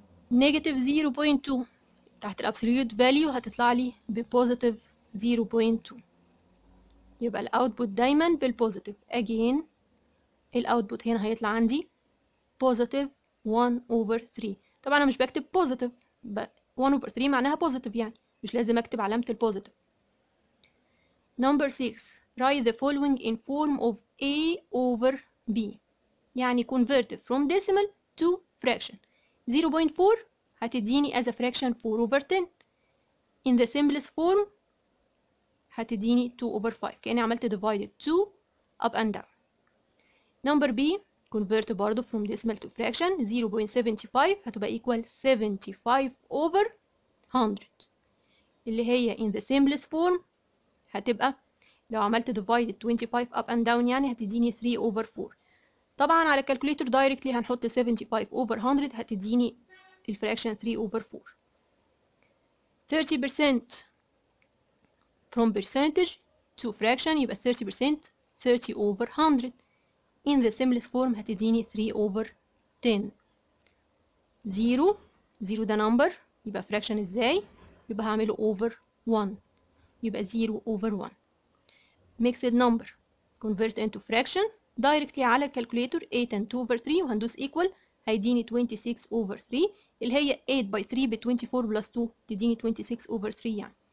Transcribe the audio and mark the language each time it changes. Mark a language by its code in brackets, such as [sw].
[ar] نيجاتيف 0.2 تحت الابسوليوت فاليو هتطلع لي ببوزيتيف 0.2، يبقى الاوتبوت دايما بالبوزيتيف. اجين الاوتبوت هنا هيطلع عندي بوزيتيف 1 اوفر 3، طبعا انا مش بكتب بوزيتيف، 1 اوفر 3 معناها بوزيتيف يعني مش لازم اكتب علامه البوزيتيف. [en] number 6 write the following in form of a over b يعني convert from decimal to fraction. 0.4 هتديني as a fraction 4 over 10 in the simplest form هتديني 2 over 5 كأني عملت divided 2 up and down. number b convert برضو from decimal to fraction 0.75 هتبقى equal 75 over 100 اللي هي in the simplest form هتبقى لو عملت divided 25 up and down يعني هتديني 3 over 4. [ar] طبعا على calculator directly هنحط 75 over 100 هتديني الفراكشن 3 over 4. [en] 30% from percentage to fraction يبقى 30% 30 over 100 in the simplest form هتديني 3 over 10. [ar] 0 0 ده number يبقى fraction ازاي؟ يبقى هعمله over 1 يبقى 0 over 1. [en] mixed number convert into fraction directly على الكالكوليتر 8 and 2 over 3 وهندوس equal هيديني 26 over 3 اللي هي 8 by 3 ب 24 plus 2 تديني 26 over 3 يعني.